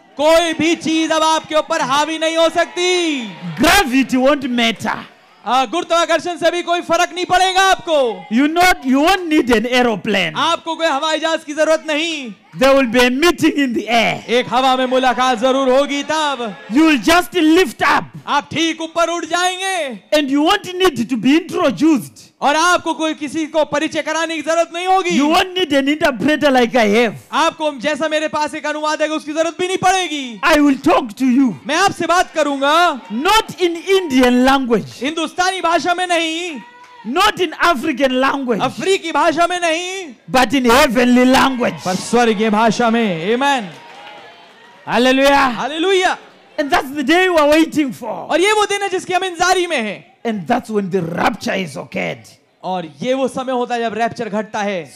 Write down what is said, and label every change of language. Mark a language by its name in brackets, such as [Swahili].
[Hindi] कोई भी चीज अब आपके ऊपर हावी नहीं हो सकती, [English] gravity won't matter. [Hindi] गुरुत्वाकर्षण से भी कोई फर्क नहीं पड़ेगा आपको [English] you won't need an aeroplane. [Hindi] आपको कोई हवाई जहाज की जरूरत नहीं [English] There will be a meeting in the air. [Hindi] एक हवा में मुलाकात जरूर होगी तब [English] You will just lift up. [Hindi] आप ठीक ऊपर उड़ जाएंगे [English] And you won't need to be introduced. [Hindi] और आपको कोई किसी को परिचय कराने की जरूरत नहीं होगी [English] You won't need an interpreter like I have. [Hindi] आपको जैसा मेरे पास एक अनुवादक है उसकी जरूरत भी नहीं पड़ेगी [English] I will talk to you. [Hindi] मैं आपसे बात करूंगा [English] Not in Indian language. [Hindi] हिंदुस्तानी भाषा में नहीं [English] Not in African language. [Hindi] अफ्रीकी भाषा में नहीं [English] But in heavenly language. [Hindi] पर स्वर्गीय भाषा में Amen. Hallelujah. Hallelujah. [English] And that's the day we are waiting for. [Hindi] और ये वो दिन है जिसकी हम इंतजारी में हैं [English] And that's when the rapture is occurred. [Hindi] और ये वो समय होता है जब रैप्चर घटता है.